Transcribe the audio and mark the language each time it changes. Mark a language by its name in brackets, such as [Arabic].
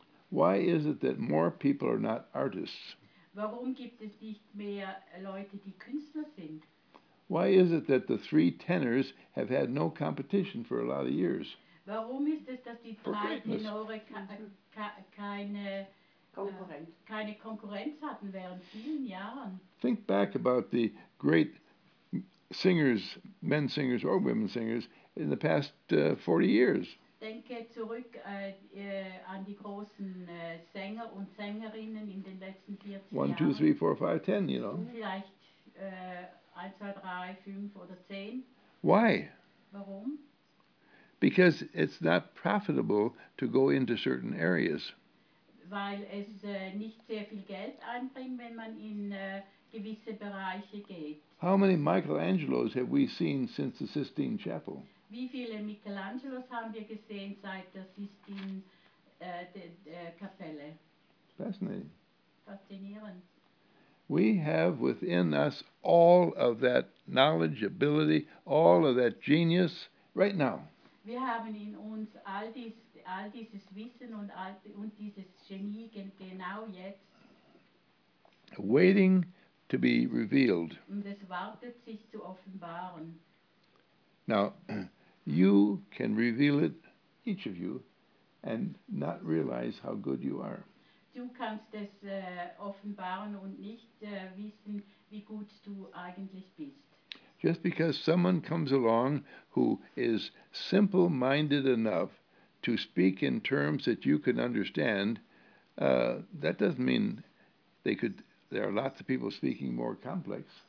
[English] Why is it that more people are not artists? [German] Warum gibt es nicht mehr Leute, die Künstler sind? [English] Why is it that the three tenors have had no competition for a lot of years? [German] Warum ist es, dass die drei Tenore keine Konkurrenz hatten während vielen Jahren? [English] Think back about the great singers, men singers or women singers, in the past 40 years. [German] Denke zurück an die großen Sänger und Sängerinnen in den letzten 40 Jahren. [English] 1, 2, 3, 4, 5, 10, you know. [German] Vielleicht 1, 2, 3, 5 oder 10. [English] Why? [German] Warum? [English] Because it's not profitable to go into certain areas. [German] Weil es nicht sehr viel Geld einbringt, wenn man in gewisse Bereiche geht. [English] How many Michelangelos have we seen since the Sistine Chapel? [German] Wie viele Michelangelos haben wir gesehen seit der Sistine-Kapelle? Faszinierend. [English] We have within us all of that knowledge, ability, all of that genius right now. [German] Wir haben in uns all dieses Wissen und dieses Genie genau jetzt. [English] Waiting to be revealed. [German] Und es wartet, sich zu offenbaren. [English] Now, you can reveal it, each of you, and not realize how good you are. [German] Du kannst es offenbaren und nicht wissen, wie gut du eigentlich bist. [English] Just because someone comes along who is simple-minded enough to speak in terms that you can understand, that doesn't mean they could. There are lots of people speaking more complex.